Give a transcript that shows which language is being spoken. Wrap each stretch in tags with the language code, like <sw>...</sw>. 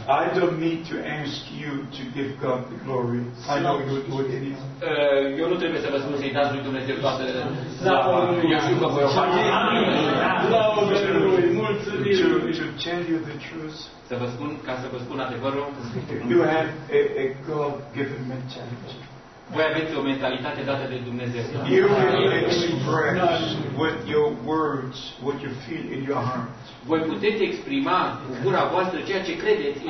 <en>I don't need to ask you to give God the glory. I know you do it.</en> <ro>Eu nu trebuie să vă spun să-i dați lui Dumnezeu toate. Eu știu că voi o face.</ro> <en>To tell you the truth.</en> <ro>Să vă spun, ca să vă spun adevărul.</ro> <en>You have a God-given mentality.</en> <ro>Voi aveți o mentalitate dată de Dumnezeu.</ro> <en>You will express with your words what you feel in your heart.</en> <ro>Voi puteți exprima cu gura voastră ceea ce credeți.</ro>